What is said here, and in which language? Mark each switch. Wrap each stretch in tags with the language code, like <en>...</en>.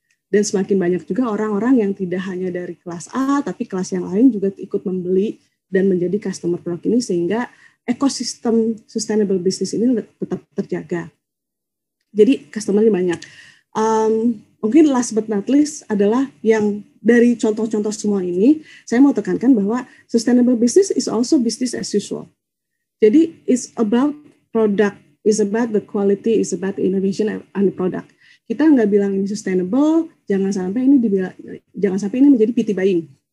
<id>Dan semakin banyak juga orang-orang yang tidak hanya dari kelas A tapi kelas yang lain juga ikut membeli dan menjadi customer produk ini sehingga ekosistem sustainable business ini tetap terjaga. Jadi customer-nya banyak. Mungkin</id> <en>last but not least</en> <id>adalah yang dari contoh-contoh semua ini, saya mau tekankan bahwa</id> <en>sustainable business is also business as usual.</en> <id>Jadi</id> <en>it's about product, it's about the quality, it's about innovation and the product.</en> <id>Kita nggak bilang ini sustainable, jangan sampai ini menjadi</id> <en>pity buying.</en>